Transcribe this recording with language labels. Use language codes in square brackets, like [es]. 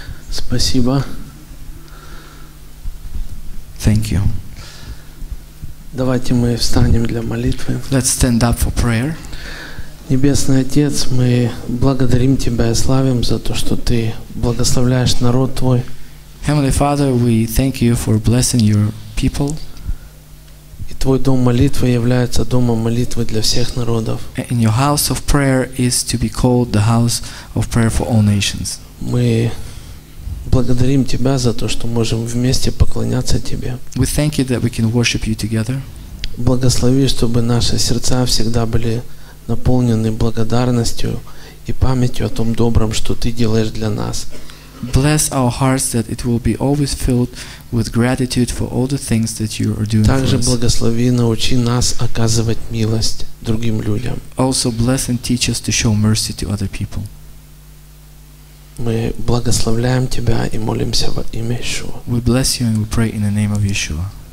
[ru] Спасибо. [en] Thank you. [ru] Давайте мы встанем для молитвы. [en] Let's stand up for prayer. [ru] Небесный Отец, мы благодарим Тебя и славим за то, что Ты благословляешь народ Твой. [en] Heavenly Father, we thank You for blessing Your people. [ru] И Твой дом молитвы является домом молитвы для всех народов. [en] And Your house of prayer is to be called the house of prayer for all nations. [ru] Мы благодарим Тебя за то, что можем вместе поклоняться Тебе. [en] We thank You that we can worship You together. [ru] Благослови, чтобы наши сердца всегда были наполнены благодарностью и памятью о том добром, что Ты делаешь для нас. [en] Bless our hearts that it will be always filled with gratitude for all the things that You are doing. [ru] Также благослови, научи нас оказывать милость другим людям. [en] Also bless and teach us to show mercy to other people. [ru] Мы благословляем Тебя и молимся во имя Иешуа. [en] We bless You and we pray in the name of Yeshua.